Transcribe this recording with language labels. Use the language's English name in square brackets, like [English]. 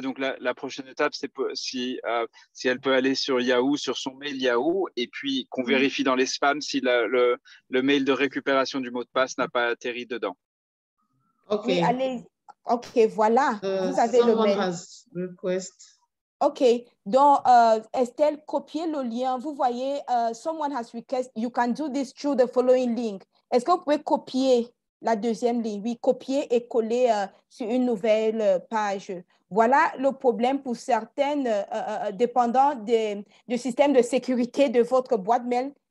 [French] Donc, la prochaine étape, c'est si elle peut aller sur Yahoo, sur son mail Yahoo, et puis qu'on vérifie dans les spams si le mail de récupération du mot de passe n'a pas atterri dedans. OK. Oui, allez. OK, voilà. Vous avez le mail. [English] Has request. OK. [French] Donc, Estelle, copiez le lien. Vous voyez, [English] someone has request. You can do this through the following link. [French] Est-ce que vous pouvez copier la deuxième ligne? Oui, copier et coller sur une nouvelle page. Voilà le problème pour certaines, dépendant du système de sécurité de votre boîte mail.